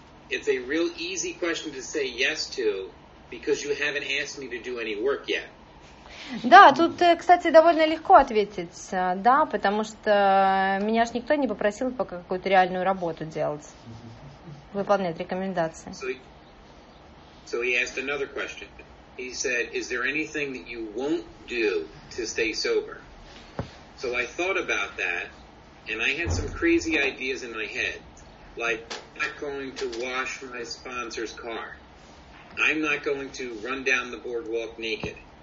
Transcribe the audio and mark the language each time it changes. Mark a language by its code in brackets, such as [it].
[en] It's a real easy question to say yes to, because you haven't asked me to do any work yet. [ru] Да, тут, кстати, довольно легко ответить «да», потому что меня ж никто не попросил пока какую-то реальную работу делать, выполнять рекомендации. [en] So he asked another question. He said, is there anything that you won't do to stay sober? So I thought about that, and I had some crazy ideas in my head, like not going to wash my sponsor's car. I'm not going to run down the boardwalk naked.